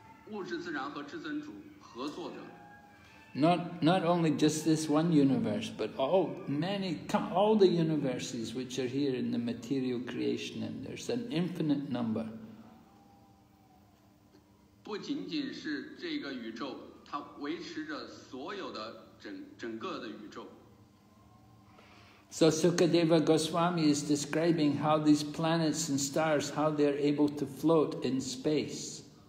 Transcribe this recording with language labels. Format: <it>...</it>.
<zh>物质自然和至尊主合作着。</zh> <en>Not only just this one universe, but all the universes which are here in the material creation, and there's an infinite number.</en> <zh>不仅仅是这个宇宙，它维持着所有的整个的宇宙。</zh> <en>So Sukadeva Goswami is describing how these planets and stars, how they are able to float in space.</en>